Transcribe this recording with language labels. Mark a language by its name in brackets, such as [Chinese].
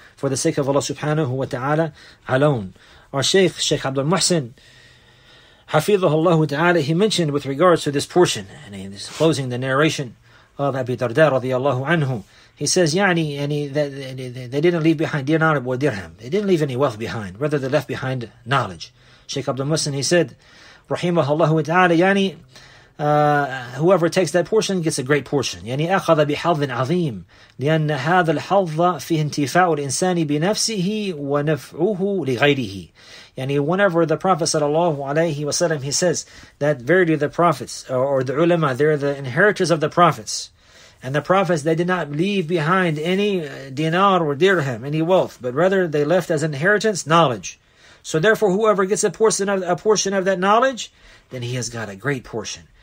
[English] For the sake of Allah subhanahu wa ta'ala alone. Our Shaykh Abdul Muhsin, Hafidhahullah ta'ala, he mentioned with regards to this portion, and in this closing the narration of Abi Darda radiallahu anhu, he says, "Yani, they didn't leave behind dinar or dirham. They didn't leave any wealth behind. Rather, they left behind knowledge." Shaykh Abdul Muhsin, he said, "Rahimahullah ta'ala, yani, whoever takes that portion gets a great portion. [Arabic] يعني أخذ بحظ عظيم لأن هذا الحظ في انتفاع الإنسان بنفسه ونفعه لغيره. [English] يعني whenever the Prophet sallallahu alaihi wasallam, he says that verily the prophets or the ulama, they're the inheritors of the prophets, and the prophets, they did not leave behind any dinar or dirham, any wealth, but rather they left as inheritance knowledge. So therefore, whoever gets a portion of that knowledge, then he has got a great portion.